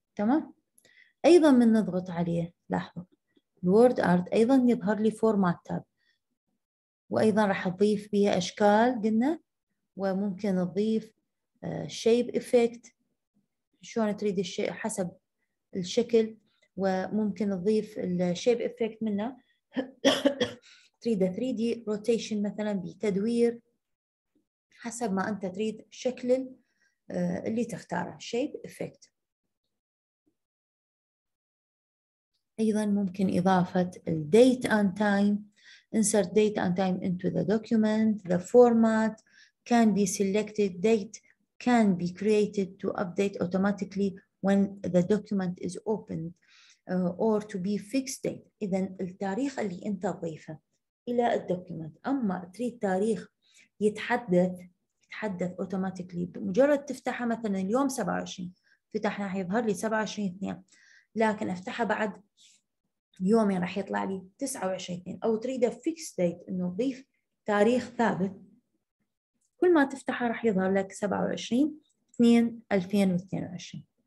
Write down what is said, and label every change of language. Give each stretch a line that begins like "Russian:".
Arabic: تمام، أيضا من نضغط عليه لاحظوا الوورد آرت أيضا يظهر لي فورمات تاب، وأيضا راح أضيف بها أشكال قلنا، وممكن أضيف شيب إفكت شلون تريد الشيء حسب الشكل، وممكن أضيف الشيب إفكت منه تريده 3D روتيشن مثلا بتدوير حسب ما أنت تريد شكل اللي تختاره شيب إفكت. أيضا ممكن إضافة الديت أند تايم.
English: Insert date and time into the document. The format can be selected. Date can be created to update automatically when the document is opened or to be fixed date.
Arabic: إذا التاريخ اللي أنت ضيفه إلى الدوكيومنت، أما تريد تاريخ يتحدث automatically بمجرد تفتحه مثلا اليوم 27 فتحنا حيظهر لي 27/2، لكن أفتحه بعد يومين راح يطلع لي 29/2، او تريده فيكس ديت انه تضيف تاريخ ثابت كل ما تفتحه راح يظهر لك 27/2/2022.